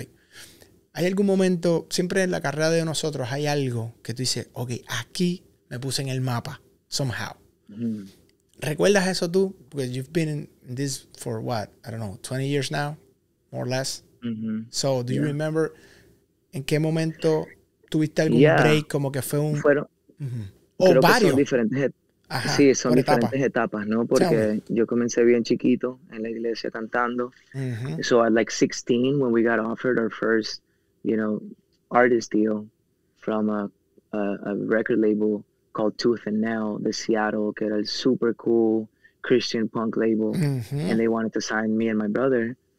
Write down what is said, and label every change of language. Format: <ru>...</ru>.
<es>Like, hay algún momento, siempre en la carrera de nosotros, hay algo que tú dices, okay, aquí me puse en el mapa, somehow. ¿Recuerdas eso tú?</es> <en>Because you've been in this for what? I don't know, 20 years now, more or less. So, do you remember</en> <es>en qué momento tuviste algún break, como que fue un... Creo que son diferentes etapas. Ajá, sí, son diferentes etapas, ¿no? Porque yo comencé bien chiquito en la iglesia cantando.</es> <en>So, at like 16, when we got offered our first, you know, artist deal from a record label called Tooth and Nail de Seattle,</en> <es>que era el</es> <en>super cool Christian punk label, and they wanted to sign me and my brother.</en>